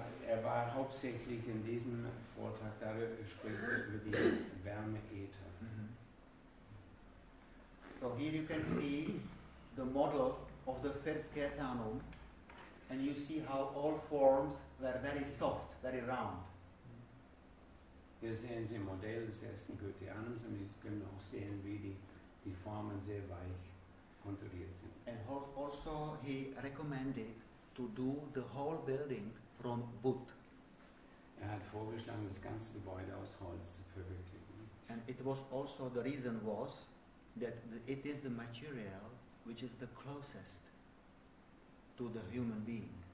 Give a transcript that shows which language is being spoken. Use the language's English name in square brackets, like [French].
[German] Er war hauptsächlich in diesem Vortrag darüber gesprochen, über die Wärme-Äther. [English] So here you can see the model of the Festkehrtanum, and you see how all forms were very soft, very round. [German] Wir sehen im Modell des ersten Goetheanums, und wir können auch sehen, wie die Formen sehr weich konturiert sind. [English] And also he recommended to do the whole building from wood. [German] Er hat vorgeschlagen, das ganze Gebäude aus Holz zu verwirklichen. [English] And it was also the reason was that it is the material which is the closest to the human being.